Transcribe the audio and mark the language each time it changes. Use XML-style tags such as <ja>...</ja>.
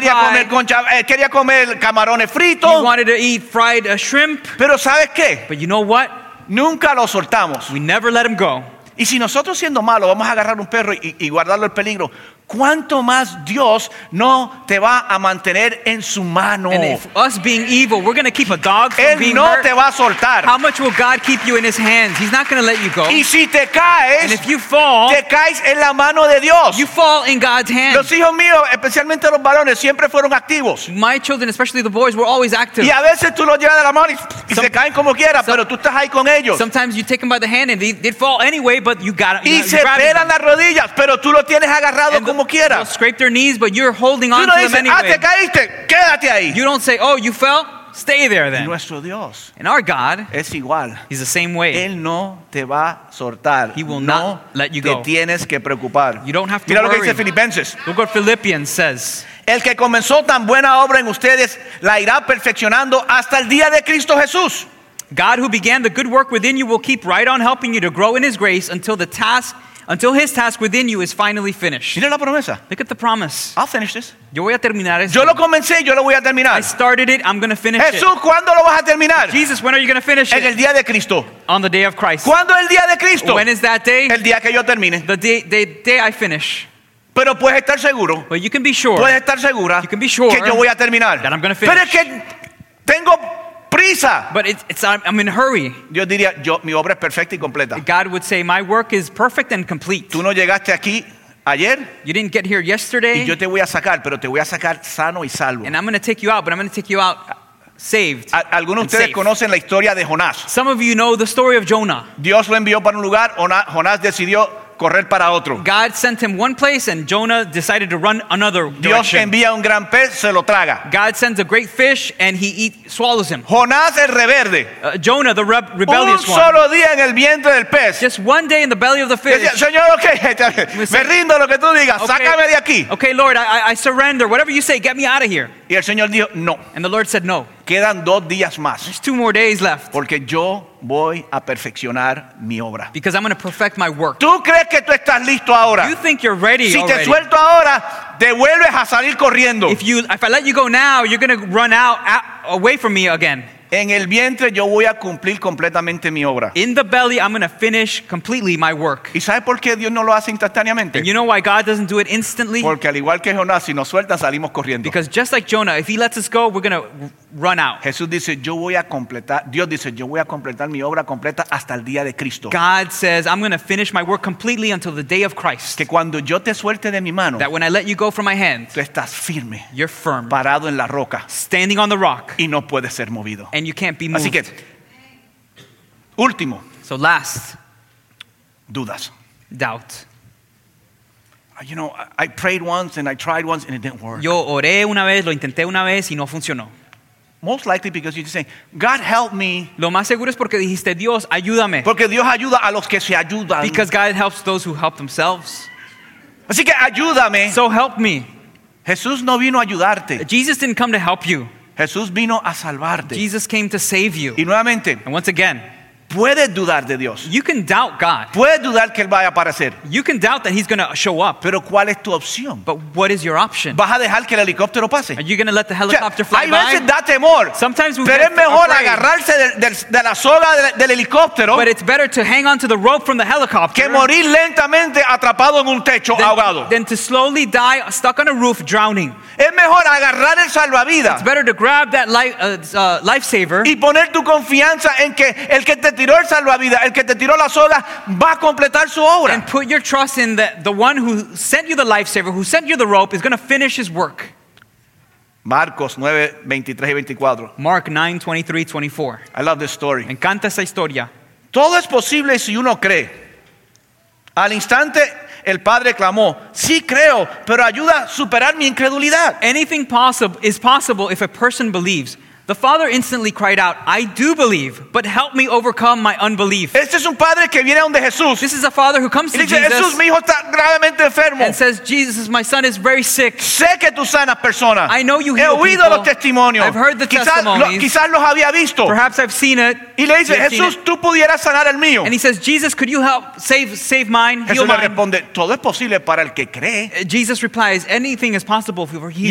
<es>Él quería comer concha, él quería comer camarones fritos.</es> <en>He wanted to eat fried shrimp.</en> <es>Pero ¿sabes qué?</es> <en>But you know what?</en> <es>Nunca lo soltamos.</es> <en>We never let him go.</en> <es>Y si nosotros siendo malos vamos a agarrar un perro y guardarlo en peligro, ¿cuánto más Dios no te va a mantener en su mano?</es> <en>And if us being evil, we're going to keep a dog from</en> <es>Él</es> <en>being</en> <es>no</es> <en>hurt.</en> <es>Te va a soltar.</es> <en>How much will God keep you in his hands? He's not going to let you go.</en> <es>Y si te caes,</es> <en>and if you fall,</en> <es>te caes en la mano de Dios.</es> <en>You fall in God's hands.</en> <es>Los hijos míos, especialmente los varones, siempre fueron activos.</es> <en>My children, especially the boys, were always active.</en> <es>Y a veces tú los llevas de la mano y se caen como quiera, pero tú estás ahí con ellos.</es> <en>Sometimes you take them by the hand and they fall anyway, but you got</en> <es>y se pelan las rodillas, pero tú lo tienes agarrado como</es> <en>they'll scrape their knees, but you're holding on</en> <es>no</es> <en>to them</en> <es>dices,</es> <en>anyway.</en> <es>Te caíste, ahí.</es> <en>You don't say, oh, you fell? Stay there then.</en> <es>Y nuestro Dios</es> <en>and our God</en> <es>es igual.</es> <en>He's the same way.</en> <es>Él no te va soltar.</es> <en>He will</en> <es>no</es> <en>not let you</en> <es>te</es> <en>go.</en> <es>Tienes que preocupar.</es> <en>You don't have to</en> <es>Mira</es> <en>worry.</en> <es>Lo que dice Filipenses.</es> <en>Look what Philippians says.</en> <es>El que comenzó tan buena obra en ustedes la irá perfeccionando hasta el día de Cristo Jesús.</es> <en>God who began the good work within you will keep right on helping you to grow in his grace until his task within you is finally finished.</en> <es>Mira la promesa.</es> <en>Look at the promise. I'll finish this.</en> <es>Yo voy a terminar esto. Yo lo comencé, yo lo voy a terminar.</es> <en>I started it, I'm going to finish</en> <es>Jesús,</es> <en>it.</en> <es>Jesús, ¿cuándo lo vas a terminar?</es> <en>Jesus, when are you going to finish</en> <es>en</es> <en>it?</en> <es>En el día de Cristo.</es> <en>On the day of Christ.</en> <es>¿Cuándo el día de Cristo?</es> <en>When is that day?</en> <es>El día que yo termine.</es> <en>The day I finish.</en> <es>Pero puedes estar seguro.</es> <en>But you can be sure.</en> <es>Puedes estar segura.</es> <en>You can be sure.</en> <es>Que yo voy a terminar.</es> <en>That I'm going to finish.</en> <es>Pero es que tengo prisa.</es> <en>But it's I'm in a hurry.</en> <es>Yo diría, mi obra es perfecta y completa.</es> <en>God would say my work is perfect and complete.</en> <es>Tú no llegaste aquí ayer.</es> <en>You didn't get here yesterday.</en> <es>Y yo te voy a sacar, pero te voy a sacar sano y salvo.</es> <en>And I'm going to take you out, but I'm going to take you out saved.</en> <es>Algunos de ustedes conocen la historia de Jonás.</es> <en>Some of you know the story of Jonah.</en> <es>Dios lo envió para un lugar, Jonás decidió correr para otro.</es> <en>God sent him one place and Jonah decided to run another</en> <es>Dios</es> <en>direction.</en> <es>Envía un gran pez, se lo traga.</es> <en>God sends a great fish and he swallows him.</en> <es>Jonás el rebelde.</es> <en>Jonah the rebellious</en> <es>un solo</es> <en>one.</en> <es>Día en el vientre del pez.</es> <en>Just one day in the belly of the fish.</en> <es>Decía, Señor, okay. Me rindo lo que tú digas. Okay. Sácame de aquí.</es> <en>Okay, Lord, I surrender. Whatever you say, get me out of here.</en> <es>Y el Señor dijo, no.</es> <en>And the Lord said no.</en> <es>Quedan dos días más.</es> <en>There's two more days left.</en> <es>Porque yo voy a perfeccionar mi obra.</es> <en>Because I'm going to perfect my work.</en> <es>¿Tú crees que tú estás listo ahora?</es> <en>You think you're ready</en> <es>si</es> <en>already.</en> <es>Te suelto ahora, te vuelves a salir corriendo.</es> <en>If I let you go now, you're going to run out away from me again.</en> <es>En el vientre yo voy a cumplir completamente mi obra.</es> <en>In the belly I'm going to finish completely my work.</en> <es>¿Y sabes por qué Dios no lo hace instantáneamente?</es> <en>And you know why God doesn't do it instantly?</en> <es>Porque al igual que Jonás, si nos suelta salimos corriendo.</es> <en>Because just like Jonah, if he lets us go, we're going to run out.</en> <es>Jesús dice, yo voy a completar, Dios dice, yo voy a completar mi obra completa hasta el día de Cristo.</es> <en>God says, I'm going to finish my work completely until the day of Christ.</en> <es>Que cuando yo te suelte de mi mano,</es> <en>that when I let you go from my hand,</en> <es>tú estás firme,</es> <en>you're firm,</en> <es>parado en la roca,</es> <en>standing on the rock,</en> <es>y no puedes ser movido.</es> <en>And you can't be moved.</en> <es>Así que, último.</es> <en>So last.</en> <es>Dudas.</es> <en>Doubt. You know, I prayed once and I tried once and it didn't work.</en> <es>Yo oré una vez, lo intenté una vez y no funcionó.</es> <en>Most likely because you're just saying, God help me.</en> <es>Lo más seguro es porque dijiste, Dios, ayúdame. Porque Dios ayuda a los que se ayudan.</es> <en>Because God helps those who help themselves.</en> <es>Así que, ayúdame.</es> <en>So help me.</en> <es>Jesús no vino a ayudarte.</es> <en>Jesus didn't come to help you.</en> <es>Jesús vino a salvarte.</es> <en>Jesus came to save you.</en> <es>Y nuevamente,</es> <en>and once again,</en> <es>puedes dudar de Dios.</es> <en>You can doubt God.</en> <es>Puedes dudar que él vaya a aparecer.</es> <en>You can doubt that he's going to show up.</en> <es>Pero ¿cuál es tu opción?</es> <en>But what is your option?</en> <es>¿Vas a dejar que el helicóptero pase?</es> <en>Are you going to let the helicopter fly by?</en> <es>Hay veces da temor.</es> <en>Sometimes we</en> <es>pero es mejor agarrarse de la soga del helicóptero.</es> <en>But it's better to hang on to the rope from the helicopter.</en> <es>Que morir lentamente atrapado en un techo ahogado.</es> <en>Than to slowly die stuck on a roof drowning.</en> <es>Es mejor agarrar el salvavidas.</es> <en>It's better to grab that lifesaver.</en> <es>Y poner tu confianza en que el que te tiró el salvavidas, el que te tiró la soga, va a completar su obra.</es> <en>And put your trust in the one who sent you the lifesaver, who sent you the rope, is going to finish his work.</en> <es>Marcos 9, 23 y 24.</es> <en>Mark 9, 23, 24. I love this story.</en> <es>Me encanta esa historia. Todo es posible si uno cree. Al instante el padre clamó, sí creo, pero ayuda a superar mi incredulidad.</es> <en>Anything possible is possible if a person believes. The father instantly cried out, I do believe, but help me overcome my unbelief.</en> <es>Este es un padre que viene donde Jesús.</es> <en>This is a father who comes</en> <es>y dice,</es> <en>to Jesus</en> <es>Jesús, mi hijo está gravemente enfermo.</es> <en>And says, Jesus, my son is very sick.</en> <es>Sé que tú sanas personas.</es> <en>I know you heal</en> <es>he oído</es> <en>people.</en> <es>Los testimonios.</es> <en>I've heard the</en> <es>quizás,</es> <en>testimonies.</en> <es>Quizás los había visto.</es> <en>Perhaps I've seen it.</en> <es>Y le dice, Jesús, tú pudieras sanar el mío.</es> <en>And he says, Jesus, could you help save mine?</en> <es>Jesús le responde, todo es posible para el que cree.</es> <en>Jesus replies, anything is possible for he who believes.</en>